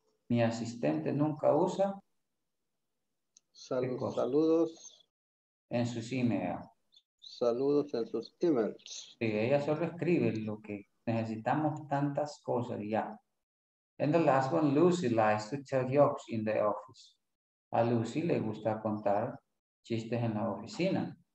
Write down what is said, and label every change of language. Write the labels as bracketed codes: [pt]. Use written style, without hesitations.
[es] Mi asistente nunca usa saludos en sus emails. Saludos en sus emails. Sí, ella solo escribe lo que necesitamos tantas cosas, ya. [en] Yeah. And the last one, Lucy likes to tell jokes in the office. [es] A Lucy le gusta contar chistes en la oficina.